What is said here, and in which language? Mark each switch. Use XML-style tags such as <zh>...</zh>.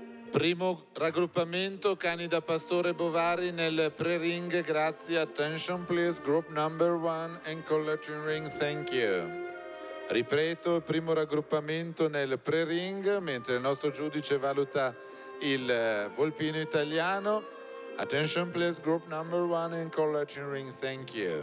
<it>Primo raggruppamento, cani da pastore bovari nel pre-ring, grazie.</it> <en>Attention please, group number one and collecting ring, thank you.</en> <it>Ripeto, primo raggruppamento nel pre-ring, mentre il nostro giudice valuta il volpino italiano.</it> <en>Attention please, group number one and collecting ring, thank you.</en>